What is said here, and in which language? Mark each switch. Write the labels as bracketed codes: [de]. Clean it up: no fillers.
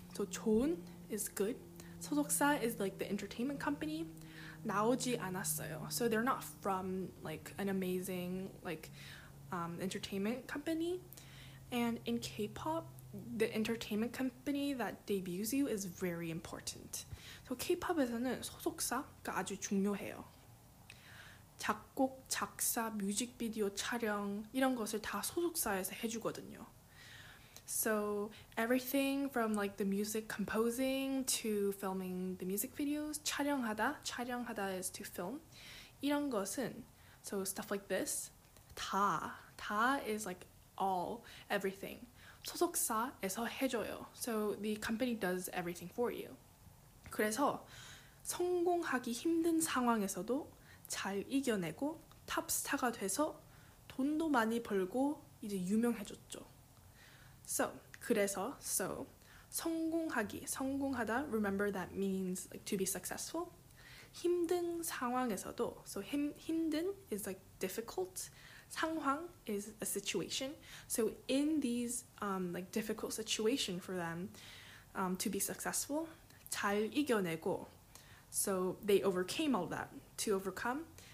[en] So 좋은 is good, 소속사 is like the entertainment company, [ko] 나오지 않았어요. [en] So they're not from like an amazing, like, entertainment company, and in K-pop, the entertainment company that debuts you is very important. [ko] So K-pop에서는 소속사가 아주 중요해요. 작곡, 작사, 뮤직비디오 촬영 이런 것을 다 소속사에서 해주거든요. [en] So everything from like the music composing to filming the music videos, 촬영하다 is to film. [ko] 이런 것은, [en] so stuff like this, 다 is like all, everything, [ko] 소속사에서 해줘요. [en] So the company does everything for you. [ko] 그래서 성공하기 힘든 상황에서도 잘 이겨내고 탑스타가 돼서 돈도 많이 벌고 이제 유명해졌죠. [en] So 성공하다, remember that means like to be successful. [ko] 힘든 상황에서도, [en] so 힘든 is like difficult. 상황 is a situation. So in these like difficult situation for them to be successful, [ko] 잘 이겨내고, [en] so they overcame all that to overcome.